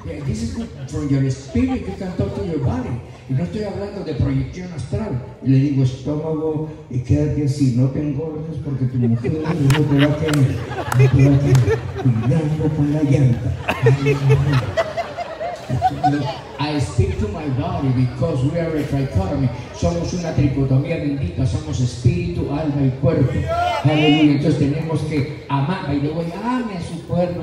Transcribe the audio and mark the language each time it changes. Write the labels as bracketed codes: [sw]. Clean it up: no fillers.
[en] This is from your spirit, you can talk to your body. [es] Y no estoy hablando de proyección astral. Y le digo: estómago, y quédate así, no te engordes, porque tu mujer no te va a querer. Cuidando con la llanta. [en] I speak to my body because we are a trichotomy. [es] Somos una tricotomía bendita. Somos espíritu, alma y cuerpo. Aleluya. Entonces tenemos que amar. Y luego ame a su cuerpo.